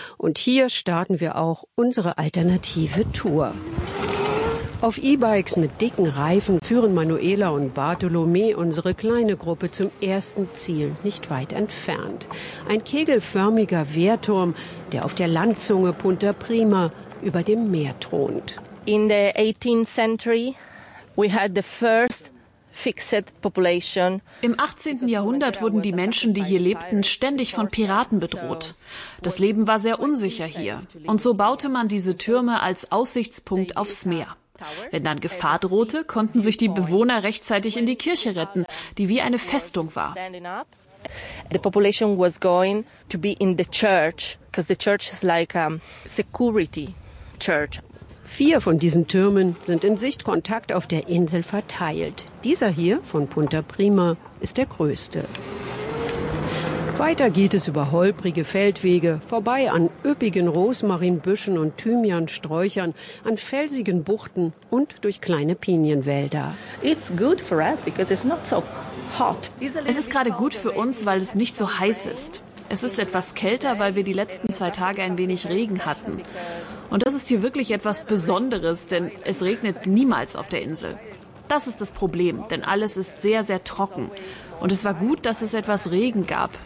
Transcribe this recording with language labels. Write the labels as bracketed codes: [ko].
[de] Und hier starten wir auch unsere alternative Tour. Auf E-Bikes mit dicken Reifen führen Manuela und Bartolomé unsere kleine Gruppe zum ersten Ziel, nicht weit entfernt. Ein kegelförmiger Wehrturm, der auf der Landzunge Punta Prima über dem Meer thront. [en] In the 18th century we had the first fixed population. [de] Im 18. Jahrhundert wurden die Menschen, die hier lebten, ständig von Piraten bedroht. Das Leben war sehr unsicher hier. Und so baute man diese Türme als Aussichtspunkt aufs Meer. Wenn dann Gefahr drohte, konnten sich die Bewohner rechtzeitig in die Kirche retten, die wie eine Festung war. [en] The population was going to be in the church, because the church is like a security church. [de] 4 von diesen Türmen sind in Sichtkontakt auf der Insel verteilt. Dieser hier von Punta Prima ist der größte. Weiter geht es über holprige Feldwege, vorbei an üppigen Rosmarinbüschen und Thymiansträuchern, an felsigen Buchten und durch kleine Pinienwälder. [en] It's good for us because it's not so hot. [de] Es ist gerade gut für uns, weil es nicht so heiß ist. Es ist etwas kälter, weil wir die letzten 2 Tage ein wenig Regen hatten. Und das ist hier wirklich etwas Besonderes, denn es regnet niemals auf der Insel. Das ist das Problem, denn alles ist sehr, sehr trocken. Und es war gut, dass es etwas Regen gab.